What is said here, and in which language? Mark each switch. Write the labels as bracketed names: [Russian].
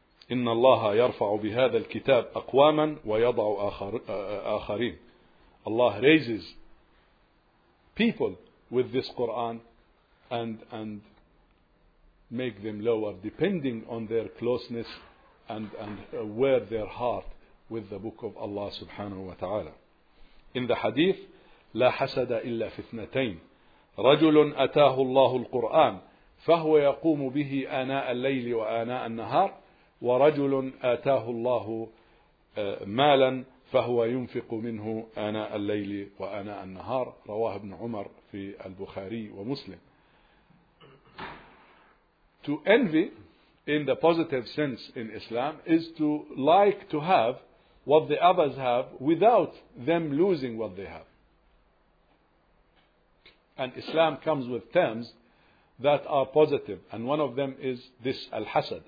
[Arabic] إِنَّ اللَّهَ يَرْفَعُ بِهَذَا الْكِتَابِ أَقْوَامًا وَيَضَعُ آخَرِينَ. [English] Allah raises people with this Quran and make them lower depending on their closeness and where their heart with the Book of Allah subhanahu wa ta'ala. In the hadith, [Arabic] لا حسد إلا في اثنتين رجل أتاه الله القرآن فهو يقوم به آناء الليل وآناء النهار ورجل أتاه الله مالا فهو ينفق منه آناء الليل وآناء النهار. رواه ابن عمر في البخاري ومسلم. [English] To envy in the positive sense in Islam is to like to have what the others have without them losing what they have. And Islam comes with terms that are positive, and one of them is this al-hasad.